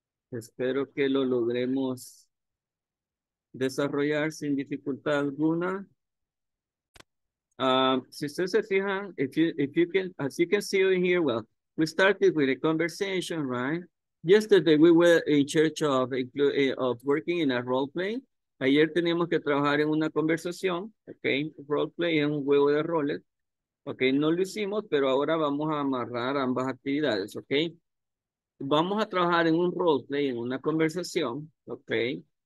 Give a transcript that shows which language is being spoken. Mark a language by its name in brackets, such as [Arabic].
[Spanish] Espero que lo logremos desarrollar sin dificultad alguna. Si ustedes se fijan, [English] as you can see in here, well, we started with a conversation, right? Yesterday we were in church of working in a role play. [Spanish] Ayer teníamos que trabajar en una conversación, okay? Role play es un juego de roles, okay? No lo hicimos, pero ahora vamos a amarrar ambas actividades, okay? Vamos a trabajar en un role play, en una conversación, okay?